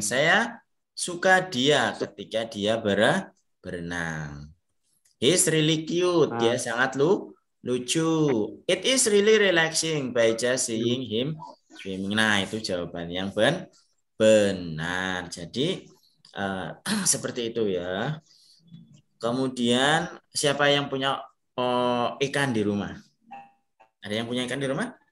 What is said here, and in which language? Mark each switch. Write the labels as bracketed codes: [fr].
[id] Saya suka dia ketika dia berenang. [en] He's really cute. [id] Dia sangat lucu. [en] It is really relaxing by just seeing him swimming. [id] Nah, itu jawaban yang benar. Jadi, seperti itu ya. Kemudian, siapa yang punya ikan di rumah? Ada yang punya ikan di rumah?